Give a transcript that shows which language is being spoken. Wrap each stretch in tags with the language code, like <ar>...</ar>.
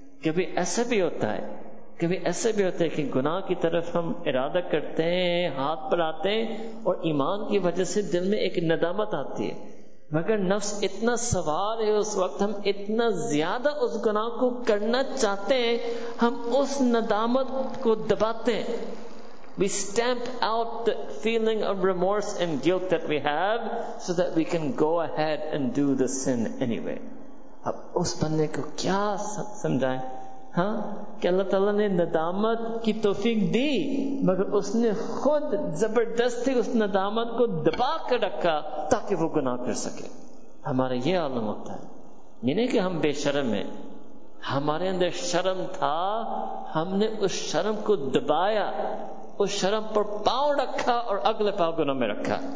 <ur>کبھی ایسا بھی ہوتا ہے, کبھی ایسا بھی ہوتا ہے کہ گناہ کی طرف ہم ارادہ کرتے ہیں, ہاتھ پر آتے ہیں اور ایمان کی وجہ سے دل میں ایک ندامت آتی ہے, مگر نفس اتنا سوار ہے اس وقت, ہم اتنا زیادہ اس گناہ کو کرنا چاہتے ہیں, ہم اس ندامت کو دباتے ہیں.</ur> <en>We stamp out the feeling of remorse and guilt that we have so that we can go ahead and do the sin anyway.</en> <ur>اب اس بندے کو کیا سمجھائیں, ہاں, کہ اللہ تعالیٰ نے ندامت کی توفیق دی مگر اس نے خود زبردستی اس ندامت کو دبا کر رکھا تاکہ وہ گناہ کر سکے. ہمارا یہ عالم ہوتا ہے, یہ نہیں کہ ہم بے شرم ہیں, ہمارے اندر شرم تھا, ہم نے اس شرم کو دبایا, اس شرم پر پاؤں رکھا اور اگلے پاؤں گناہ میں رکھا.</ur>